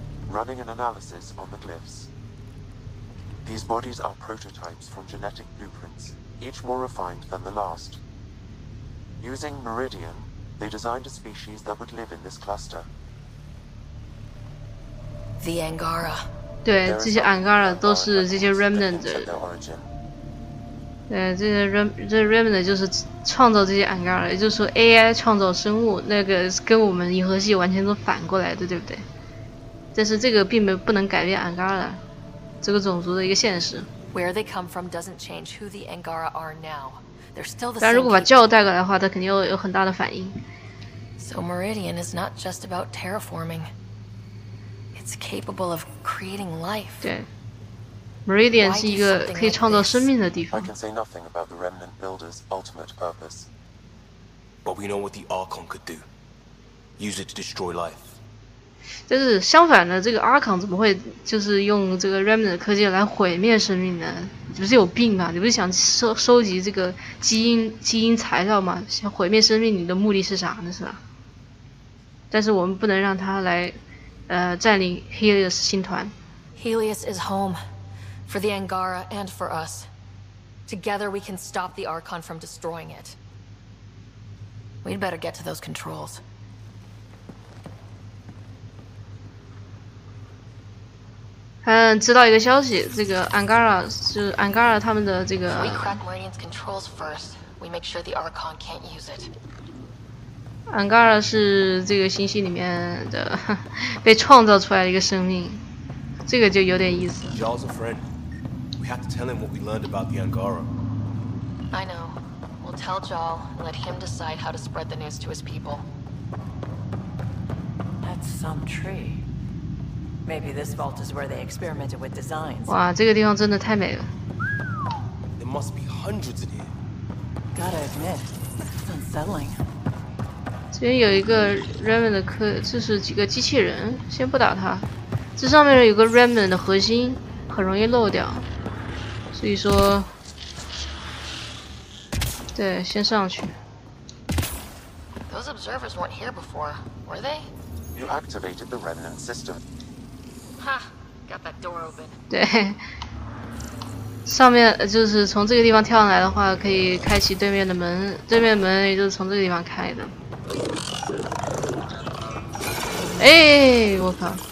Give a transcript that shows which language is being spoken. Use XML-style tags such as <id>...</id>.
<en>Running an analysis on the glyphs. These bodies are prototypes from genetic blueprints, each more refined than the last. Using Meridian, they designed a species that would live in this cluster. The Angara.</en> <zh>对，这些 Angara 都是这些 Remnant 的。对，这些 Remnant 就是创造这些 Angara， 也就是说 AI 创造生物，那个跟我们银河系完全都反过来的，对不对？但是这个并没不能改变 Angara 这个种族的一个现实。</zh> <en>Where they come from doesn't change who the Angara are now. They're still the same.</en> <zh>但如果把教带过来的话，他肯定有很大的反应。</zh> <en>So Meridian is not just about terraforming. It's capable of creating life.</en> <zh>对 ，Meridian 是一个可以创造生命的地方。</zh> <en>I can say nothing about the Remnant Builder's ultimate purpose. But we know what the Archon could do. Use it to destroy life.</en> <zh>但是相反的，这个阿康怎么会就是用这个 Remnant 科技来毁灭生命呢？你不是有病吗？你不是想收集这个基因材料吗？想毁灭生命，你的目的是啥呢？是吧？但是我们不能让他来，占领 Helios 星团。</zh> <en>Helios is home for the Angara and for us. Together we can stop the Archon from destroying it. We'd better get to those controls.</en> <zh>嗯，知道一个消息，这个 Angara 是 Angara 他们的这个。</zh> <en>We crack Meridian's controls first. We make sure the Archon can't use it.</en> <zh>Angara 是这个星系里面的被创造出来的一个生命，这个就有点意思。</zh> <en>Jarl's a friend. We have to tell him what we learned about the Angara. I know. We'll tell Jarl and let him decide how to spread the news to his people. That's some tree. Maybe this vault is where they experimented with designs.</en> <zh>哇，这个地方真的太美了。</zh> <en>There must be hundreds in here. Gotta admit, it's unsettling.</en> <zh>这边有一个 Remnant 的科，这是几个机器人，先不打它。这上面有个 Remnant 的核心，很容易漏掉，所以说，对，先上去。</zh> <en>Those observers weren't here before, were they? You activated the Remnant system. Got that door open.</en> <zh>对，上面就是从这个地方跳上来的话，可以开启对面的门，对面门也就是从这个地方开的。哎，我靠！</zh>